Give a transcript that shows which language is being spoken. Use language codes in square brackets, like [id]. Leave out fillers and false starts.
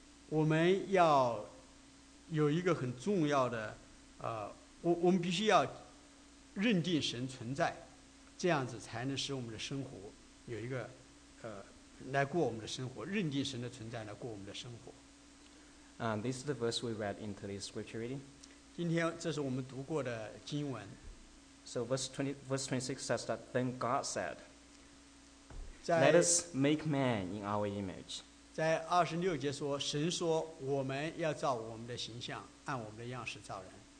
[zh] 我们要有一个很重要的我们必须要认定神存在，这样子才能使我们的生活有一个来过我们的生活，认定神的存在来过我们的生活。 [en] This is the verse we read in today's scripture reading. [zh] 今天这是我们读过的经文。 [en] So verse 26 says that then God said,Let us make man in our image. [zh] 在二十六节说，神说我们要照我们的形象，按我们的样式造人。